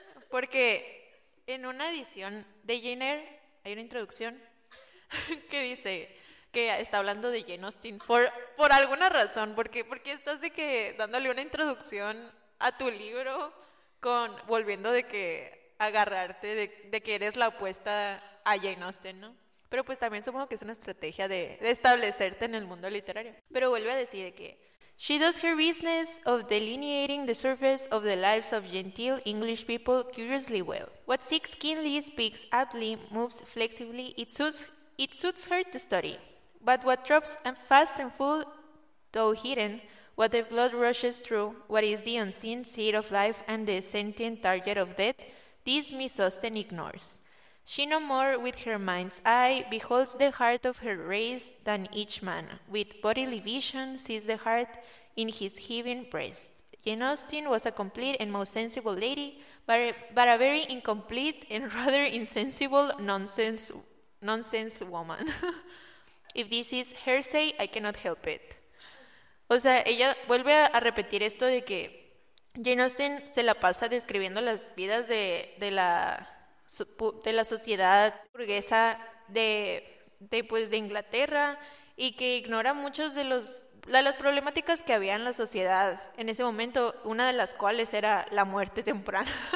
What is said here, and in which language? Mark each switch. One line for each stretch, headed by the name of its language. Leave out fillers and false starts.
Spanish: Porque en una edición de Jane Eyre hay una introducción que dice que está hablando de Jane Austen por alguna razón, porque estás de que dándole una introducción a tu libro. Volviendo de que agarrarte de que eres la opuesta a Jane Austen, ¿no? Pero pues también supongo que es una estrategia de establecerte en el mundo literario. Pero vuelve a decir de que
English: she does her business of delineating the surface of the lives of genteel English people curiously well. What seeks keenly speaks aptly, moves flexibly, it suits her to study. But what drops fast and full Though hidden, what the blood rushes through, what is the unseen seed of life and the sentient target of death, this Miss Austen ignores. She no more with her mind's eye beholds the heart of her race than each man, with bodily vision, sees the heart in his heaving breast. Jane Austen was a complete and most sensible lady, but a very incomplete and rather insensible nonsense woman. If this is hearsay, I cannot help it.
Spanish: O sea, ella vuelve a repetir esto de que Jane Austen se la pasa describiendo las vidas de la sociedad burguesa de Inglaterra, y que ignora muchos de los de las problemáticas que había en la sociedad en ese momento, una de las cuales era la muerte temprana.